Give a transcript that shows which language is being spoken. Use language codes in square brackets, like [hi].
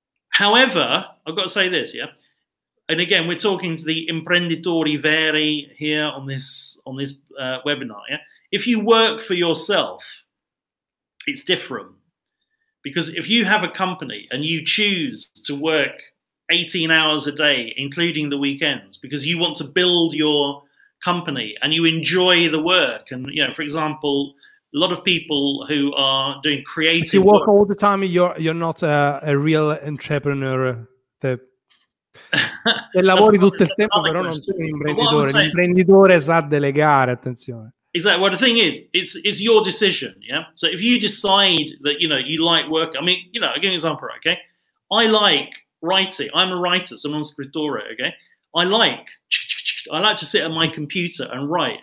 [en] However, I've got to say this, yeah, and again we're talking to the [it] imprenditori veri [en] here on this webinar, yeah, if you work for yourself, it's different, because if you have a company and you choose to work 18 hours a day, including the weekends, because you want to build your company and you enjoy the work. And, you know, for example, a lot of people who are doing creative work. If you work all the time, you're not a real entrepreneur. [it] Se lavori tutto il tempo, però non sei un imprenditore. L'imprenditore sa delegare, attenzione. [en] Exactly. Well, the thing is, it's your decision, yeah? So if you decide that, you know, you like work, I mean, you know, I'll give you an example, okay? I like writing. I'm a writer, so I'm on scrittore, okay? I like to sit at my computer and write.